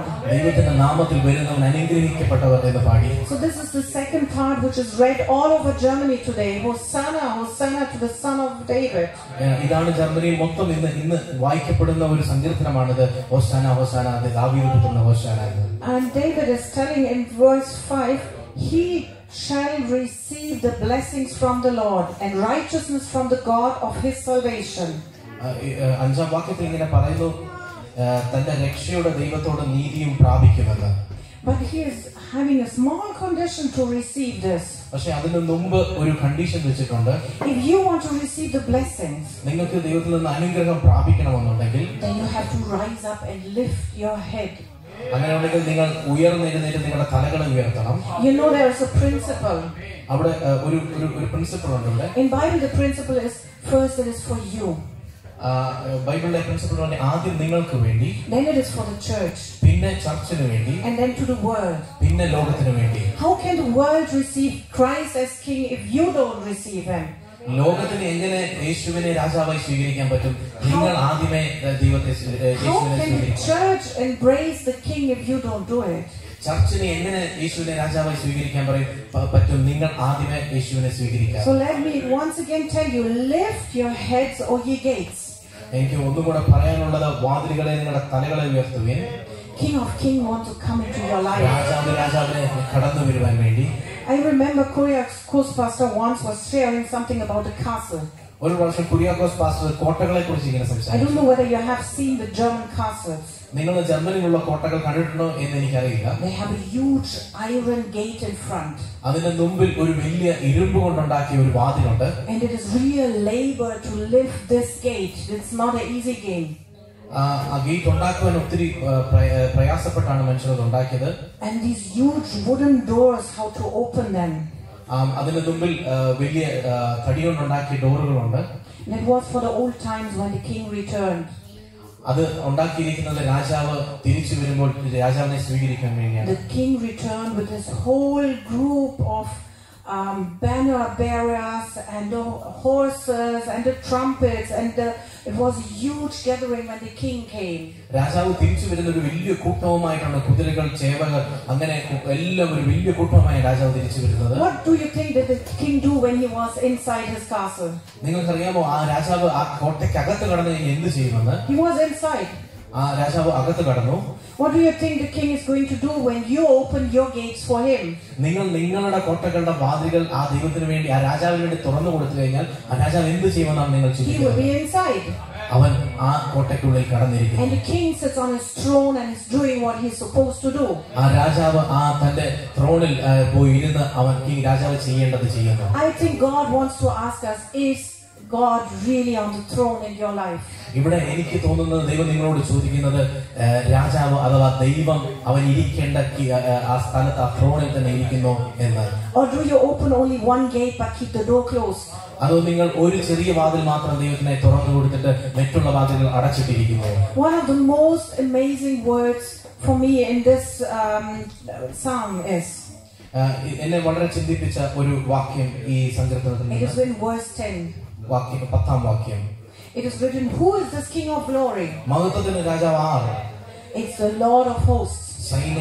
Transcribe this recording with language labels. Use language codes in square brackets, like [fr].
[ml] ദൈവത്തിന്റെ നാമത്തിൽ വരുന്നവൻ അനുഗ്രഹിക്കപ്പെട്ടവർ എന്ന് പാടി. [en] So this is the second part which is read all over Germany today. Hosanna, Hosanna to the son of David. [ml] ഇതാണ് ജർമ്മനിയിൽ മൊത്തം ഇന്ന് വായിക്കപ്പെടുന്ന ഒരു സങ്കീർത്തനമാണിത്. Hosanna, Hosanna, ദാവീദ് പുത്രൻ Hosanna. [en] And David is telling in verse 5, he shall receive the blessings from the Lord and righteousness from the God of his salvation. [ml] അഞ്ചാം വാക്യത്തിൽ ഇങ്ങനെ പറയുന്നു, തന്റെ രക്ഷയുടെ ദൈവത്തോട് നീതിയും പ്രാപിക്കുമെന്ന്. [en] But he is having a small condition to receive this. [ml] പക്ഷെ അതിനു മുമ്പ് ഒരു കണ്ടീഷൻ വെച്ചിട്ടുണ്ട്. [en] If you want to receive the blessings, [ml] നിങ്ങൾക്ക് ദൈവത്തിൽ നിന്ന് അനുഗ്രഹം പ്രാപിക്കണമെന്നുണ്ടെങ്കിൽ, [en] then you have to rise up and lift your head. [ml] അങ്ങനെയുണ്ടെങ്കിൽ നിങ്ങൾ ഉയർന്നെഴുന്നേറ്റ് നിങ്ങളുടെ തലകളെ ഉയർത്തണം. [en] You know there is a principle. [ml] അവിടെ ഒരു ഒരു പ്രിൻസിപ്പിൾ ഉണ്ട്. [en] In Bible the principle is first it is for you. [ml] ബൈബിളിലെ പ്രിൻസിപ്പിൾ പറഞ്ഞ ആദ്യം നിങ്ങൾക്ക് വേണ്ടി, [en] then it is for the church, [ml] പിന്നെ ചർച്ചിന് വേണ്ടി, [en] and then to the world, [ml] പിന്നെ ലോകത്തിന് വേണ്ടി. [en] How can the world receive Christ as king if you don't receive him? [ml] ലോകത്തിന് എങ്ങനെ യേശുവിനെ രാജാവായി സ്വീകരിക്കാൻ പറ്റും? നിങ്ങൾ ആദ്യമേ ദൈവത്തെ [en] church embrace the king if you don't do it? [ml] ചർച്ചിനെ എങ്ങനെ യേശുവിനെ രാജാവായി സ്വീകരിക്കാൻ പറ്റും? നിങ്ങൾ ആദ്യമേ യേശുവിനെ സ്വീകരിക്കുക. [en] So let me once again tell you, lift your heads, O ye gates. [ml] എനിക്ക് ഒന്നുകൂടെ പറയാനുള്ളത്, വാതിലുകളെ നിങ്ങളുടെ തലകളെ ഉയർത്തുവേ. [en] King of King wants to come into your life. [ml] രാജാവ് രാജാവിനെ കടന്നു വരുവാൻ വേണ്ടി. [en] I remember Kuriakos pastor once was sharing something about a castle. [ml] ഒരു വർഷം കുരിയാക്കോസ് പാസ്റ്റർ കോട്ടകളെ കുറിച്ച് ഇങ്ങനെ സംസാരിച്ചു. [en] I don't know whether you have seen the German castles. [ml] നിങ്ങൾ ജർമ്മനിയിലുള്ള കോട്ടകൾ കണ്ടിട്ടുണ്ടോ എന്ന് എനിക്കറിയില്ല. [en] They have a huge iron gate in front. [ml] അതിന്റെ മുമ്പിൽ ഒരു വലിയ ഇരുമ്പ് കൊണ്ടുണ്ടാക്കിയ ഒരു വാതിലുണ്ട്. [en] And it is real labor to lift this gate. It's not an easy game. [ml] ആ ഗേറ്റ് ഉണ്ടാക്കുവാൻ ഒത്തിരി പ്രയാസപ്പെട്ടാണ് മനുഷ്യർ അത് ഉണ്ടാക്കിയത്. [en] And these huge wooden doors, how to open them? [ml] അതിന്റെ മുമ്പിൽ വലിയ കടി കൊണ്ടുണ്ടാക്കിയ ഡോറുകളുണ്ട്. [en] It was for the old times when the king returned. [ml] അത് ഉണ്ടാക്കിയിരിക്കുന്നത് രാജാവ് തിരിച്ചു വരുമ്പോൾ രാജാവിനെ സ്വീകരിക്കാൻ വേണ്ടിയാണ്. [en] The king returned with his whole group of banner bearers and the horses and the trumpets and the it was a huge gathering when the king came. [ml] രാജാവ് തിരിച്ചു വരുന്ന ഒരു വലിയ കൂട്ടവുമായിട്ടാണ് കുതിരകൾ, ചേവകർ, അങ്ങനെ എല്ലാം ഒരു വലിയ കൂട്ടമായി രാജാവ് തിരിച്ചു വരുന്നത്. [en] What do you think did the king do when he was inside his castle? [ml] നിങ്ങൾക്കറിയാമോ ആ രാജാവ് ആ കോട്ടയ്ക്കകത്ത് കടന്ന് എന്ത് ചെയ്യുമെന്ന്? [en] He was inside. [ml] ആ രാജാവ് അകത്ത് കടന്നു. [en] What do you think the king is going to do when you open your gates for him? [ml] നിങ്ങൾ നിങ്ങളുടെ കോട്ടകളുടെ വാതിലുകൾ ആ ദൈവത്തിന് വേണ്ടി ആ രാജാവിന് വേണ്ടി തുറന്നു കൊടുത്തു കഴിഞ്ഞാൽ ആ രാജാവ് എന്ത് ചെയ്യുമെന്നാണ് നിങ്ങൾ ചിന്തിക്കുന്നത്? അവൻ ആ കോട്ടയ്ക്കുള്ളിൽ കടന്നിരിക്കും. [en] And the king sits on his throne and is doing what he is supposed to do. [ml] ആ രാജാവ് ആ തന്റെ ത്രോണിൽ പോയി ഇരുന്ന് അവൻ ഈ രാജാവ് ചെയ്യേണ്ടത് ചെയ്യുന്നു. [en] I think God wants to ask us, is God really on the throne in your life? [ml] ഇവിടെ എനിക്ക് തോന്നുന്നത് ദൈവം നിങ്ങളോട് ചോദിക്കുന്നത് രാജാവ് അഥവാ ദൈവം അവൻ ഇരിക്കേണ്ട ആ സ്ഥലത്ത് ആ ത്രോണിൽ തന്നെ ഇരിക്കുന്നു എന്ന്. [en] Or do you open only one gate but keep the door closed? [ml] അതോ നിങ്ങൾ ഒരു ചെറിയ വാതിൽ മാത്രം ദൈവത്തിനെ തുറന്നു കൊടുത്തിട്ട് മറ്റുള്ള വാതിലുകൾ അടച്ചിട്ടിരിക്കുന്നു? [en] One of the most amazing words for me in this psalm is [ml] എന്നെ വളരെ ചിന്തിപ്പിച്ച ഒരു വാക്യം ഈ സങ്കീർത്തനത്തിൽ. [en] It is written, who is this King of Glory? It's the Lord of Hosts.